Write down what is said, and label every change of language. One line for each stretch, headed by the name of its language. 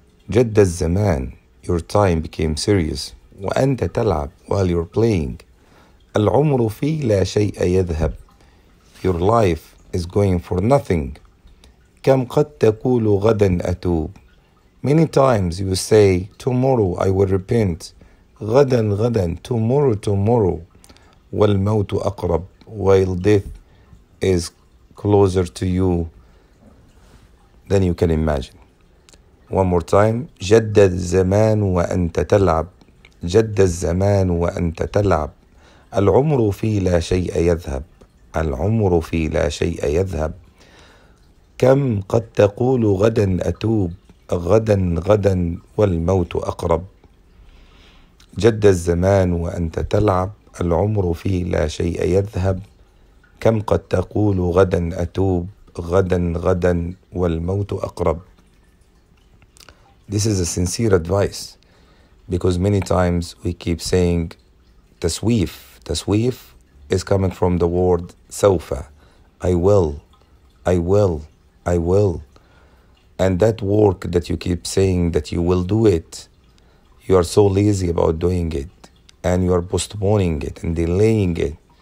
Arabic: جد الزمان،
English: your time became serious،
Arabic: وأنت تلعب
English: while you're playing،
Arabic: العمر في لا شيء يذهب،
English: your life is going for nothing،
Arabic: كم قد تقول غدا أتوب.
English: Many times you say, tomorrow I will repent.
Arabic: غدا غدا,
English: tomorrow tomorrow.
Arabic: والموت أقرب,
English: while death is closer to you than you can imagine. One more time.
Arabic: جد الزمان وأنت تلعب. جد الزمان وأنت تلعب. العمر في لا شيء يذهب. العمر في لا شيء يذهب. كم قد تقول غدا أتوب. غدا غدا والموت أقرب. جد الزمان وأنت تلعب، العمر في لا شيء يذهب، كم قد تقول غدا أتوب، غدا غدا والموت أقرب.
English: This is a sincere advice, because many times we keep saying تسويف. تسويف is coming from the word سوف. I will, I will, I will. And that work that you keep saying that you will do it, you are so lazy about doing it, and you are postponing it and delaying it.